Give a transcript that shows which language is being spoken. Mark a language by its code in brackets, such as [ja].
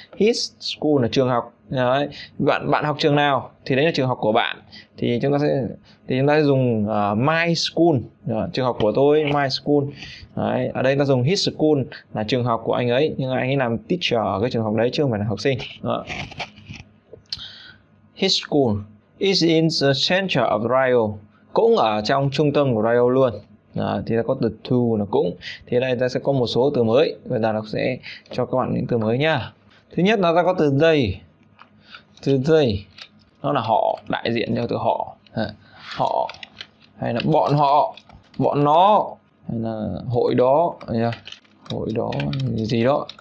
[vi] His school là trường học. Đấy. Bạn bạn học trường nào thì đấy là trường học của bạn. Thì chúng ta sẽ dùng my school. Đấy. Trường học của tôi, my school. Đấy. Ở đây ta dùng his school là trường học của anh ấy, nhưng anh ấy làm teacher ở cái trường học đấy chứ không phải là học sinh. Đấy. [en] His school is in the center of Rio. [vi] Cũng ở trong trung tâm của Rio luôn. À, thì ta có từ to là cũng. Thì đây ta sẽ có một số từ mới. Và đàn học sẽ cho các bạn những từ mới nha. Thứ nhất là ta có từ they. Từ they nó là họ, đại diện cho từ họ. Họ hay là bọn họ, bọn nó hay là hội đó, hội đó gì đó.